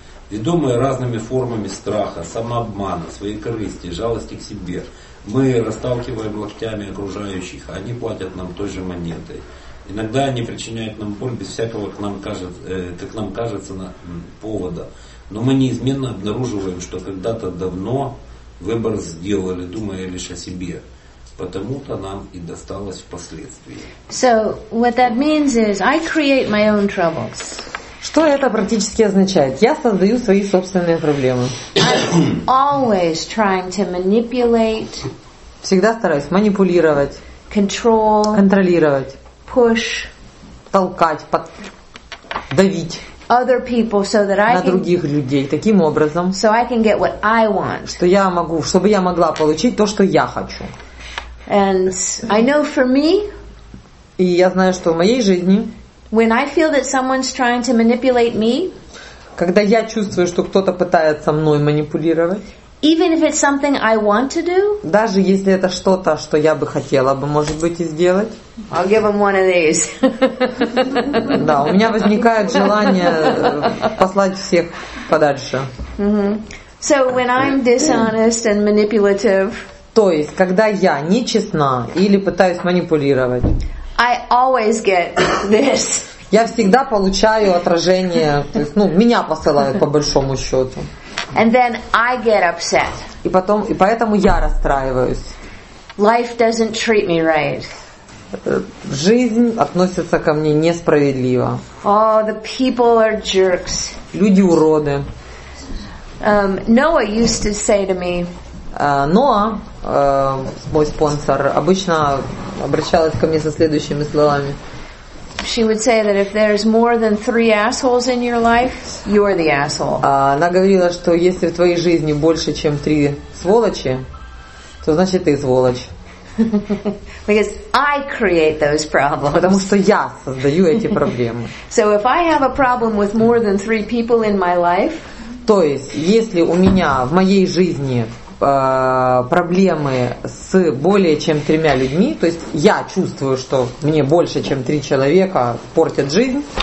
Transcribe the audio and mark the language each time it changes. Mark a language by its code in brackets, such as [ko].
[ru] Ведомые разными формами страха, самообмана, своей корысти, жалости к себе, мы расталкиваем локтями окружающих, а они платят нам той же монетой. Иногда они причиняют нам боль без всякого, как нам кажется, повода. Но мы неизменно обнаруживаем, что когда-то давно выбор сделали, думая лишь о себе. Потому-то нам и досталось впоследствии. [en] So, what that means is I create my own troubles. [ru] Что это практически означает? Я создаю свои собственные проблемы. [en] I'm always trying to manipulate. [ru] Всегда стараюсь манипулировать. [en] Control. [ru] Контролировать. [en] Push. [ru] Толкать, давить. [en] Other people, so that I [ru] на других людей таким образом. [en] So I can get what I want. [ru] Чтобы я могла получить то, что я хочу. [en] And I know for me, [ru] И я знаю, что в моей жизни, [en] when I feel that someone's trying to manipulate me, [ru] когда я чувствую, что кто-то пытается мной манипулировать, [en] even if it's something I want to do, [ru] даже если это что-то, что я бы хотела бы, может быть, и сделать, [en] I'll give them one of these. [ru] Да, у меня возникает желание послать всех подальше. [en] Mm-hmm. So when I'm dishonest and manipulative, [ru] то есть, когда я нечестна или пытаюсь манипулировать, [en] I always get this. [ru] Я всегда получаю отражение, то есть, ну, меня посылают по большому счету. [en] And then I get upset. [ru] И потом, и поэтому я расстраиваюсь. [en] Life doesn't treat me right. [ru] Жизнь относится ко мне несправедливо. [en] Oh, the people are jerks. [ru] Люди уроды. [en] Noah used to say to me. [ru] Ноа, мой спонсор, обычно обращалась ко мне со следующими словами. [en] She would say that if there's more than three assholes in your life, you're the asshole. [ru] Она говорила, что если в твоей жизни больше, чем три сволочи, то значит ты сволочь. [en] Because I create those problems. [ru] Потому что я создаю эти проблемы. [en] So if I have a problem with more than three people in my life, [ru] то есть если у меня в моей жизни проблемы с более чем тремя людьми, то есть я чувствую, что мне больше, чем три человека портят жизнь.